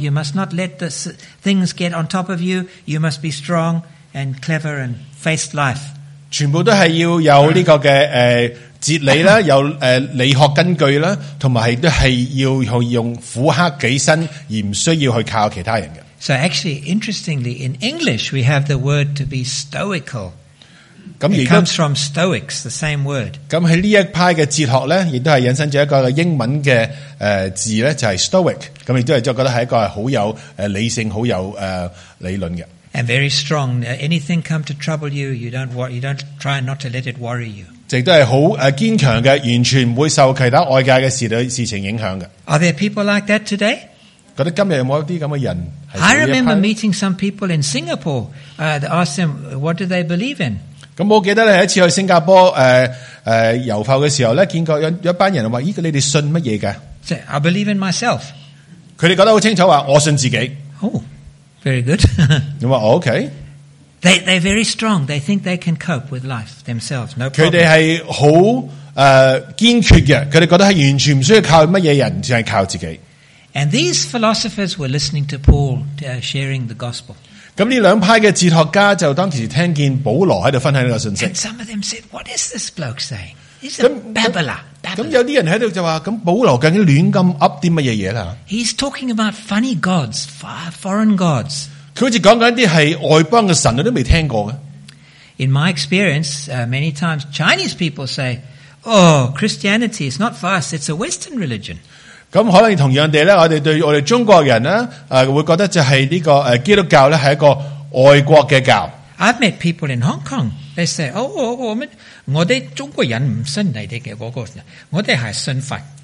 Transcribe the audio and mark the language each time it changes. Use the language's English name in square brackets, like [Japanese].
[English] You must not let the things get on top of you. You must be strong and clever and face life. [Cantonese] 全部都系要有呢个嘅哲理啦，有理学根据啦，同埋都系要去用苦克己身，而唔需要去靠其他人嘅。 [English] So actually, interestingly, in English we have the word to be stoical. It comes from Stoics, the same word. [Cantonese] 咁喺呢一派嘅哲学咧，亦都系引申咗一个英文嘅字咧，就系 Stoic。咁亦都系即系觉得系一个系好有理性、好有理论嘅。 [English] And very strong. Anything come to trouble you, you don't try not to let it worry you. [Cantonese] 亦都系好坚强嘅，完全唔会受其他外界嘅事情影响嘅。 [English] Are there people like that today? [Cantonese] 觉得今日有冇一啲咁嘅人 [English] ？I remember meeting some people in Singapore. They asked them, "What do they believe in?" [Cantonese] 咁我記得咧，一次去新加坡遊浮嘅時候咧，見過有一班人話：，咦，你哋信乜嘢嘅 [English] ？I believe in myself。 [Cantonese] 佢哋覺得好清楚話，我信自己。 [English] Oh, very good。 [Cantonese] 咁話 OK。 [English] They're very strong. They think they can cope with life themselves. No problem。 [Cantonese] 佢哋係好堅決嘅，佢哋覺得係完全唔需要靠乜嘢人，只係靠自己。 [English] And these philosophers were listening to Paul sharing the gospel。 [Cantonese] 咁呢两派嘅哲学家就当时听见保罗喺度分享呢个信息。 [English] And some of them said, "What is this bloke saying? He's a babbler." [Cantonese] 咁有啲人喺度就话：，咁保罗究竟乱咁噏啲乜嘢嘢啦 [English] ？He's talking about funny gods, foreign gods. [Cantonese] 佢好似讲紧啲系外邦嘅神，我都未听过嘅。 [English] In my experience, many times Chinese people say, "Oh, Christianity is not for us. It's a Western religion." [Cantonese] 咁可能同樣地咧，我哋對我哋中國人咧，會覺得就係呢個基督教咧係一個外國嘅教。 [English] I've met people in Hong Kong. They say, "Oh, [Cantonese] 我哋中國人唔信你哋嘅嗰個，我哋係信佛。